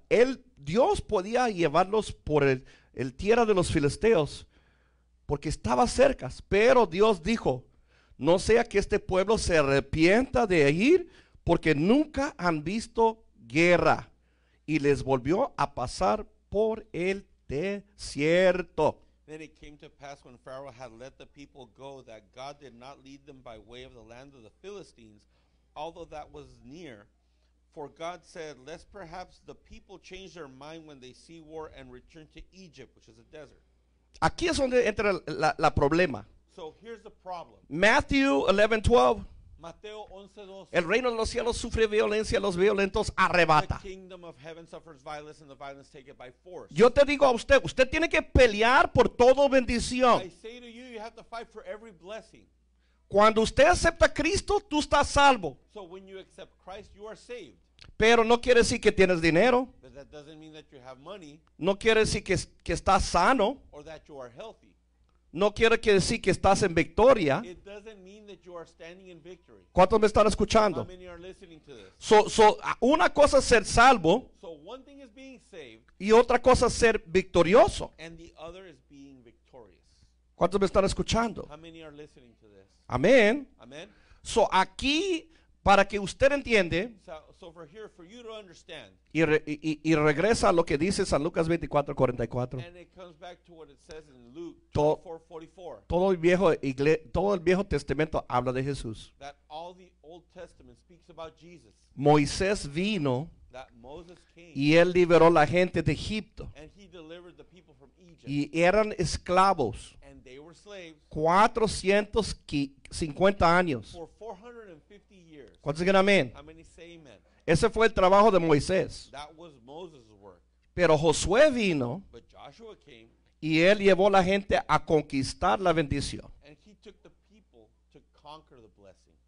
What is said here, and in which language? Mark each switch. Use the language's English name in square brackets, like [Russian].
[Spanish] Él, Dios podía llevarlos por el tierra de los filisteos, porque estaba cerca. Pero Dios dijo: no sea que este pueblo se arrepienta de ir. Porque nunca han visto guerra. Y les volvió a pasar por el desierto. [English] Then it came to pass when Pharaoh had let the people go, that God did not lead them by way of the land of the Philistines, although that was near. For God said, lest perhaps the people change their mind when they see war and return to Egypt, which is a desert. [Spanish] Aquí es donde entra la problema. [English] So here's the problem. Matthew 11:12. [Spanish] Mateo 11:12. El reino de los cielos sufre violencia, los violentos arrebata. [English] The kingdom of heaven suffers violence and the violence take it by force. [Spanish] Yo te digo a usted, usted tiene que pelear por toda bendición. [English] I say to you, you have to fight for every blessing. [Spanish] Cuando usted acepta a Cristo, tú estás salvo. [English] So when you accept Christ, you are saved. [Spanish] Pero no quiere decir que tienes dinero. [English] But that doesn't mean that you have money. [Spanish] No quiere decir que estás sano. [English] Or that you are healthy. [Spanish] No quiere que decir que estás en victoria. [English] It doesn't mean that you are standing in victory. [Spanish] ¿Cuántos me están escuchando? [English] How many are listening to this? [Spanish] So una cosa es ser salvo. [English] So one thing is being saved, [Spanish] y otra cosa es ser victorioso. [English] And the other is being victorious. [Spanish] ¿Cuántos me están escuchando? [English] How many are listening to this? [Spanish] Amén. [English] Amen. [Spanish] So aquí, para que usted entiende. [English] So for here, for you to understand, [Spanish] y regresa a lo que dice San Lucas 24:44. Todo el Viejo Testamento habla de Jesús. [English] That all the Old Testament speaks about Jesus. [Spanish] Moisés vino. [English] That Moses came, [Spanish] y él liberó la gente de Egipto. [English] And he delivered the people from Egypt. [Spanish] Y eran esclavos. [English] And they were slaves. [Spanish] 450 años. [English] For 450 years. [Spanish] ¿Cuántos dicen amén? [English] How many say amen? [Spanish] Ese fue el trabajo de Moisés. [English] That was Moses' work. [Spanish] Pero Josué vino. [English] But Joshua came, [Spanish] y él llevó la gente a conquistar la bendición. [English] And he took the people to conquer the blessing.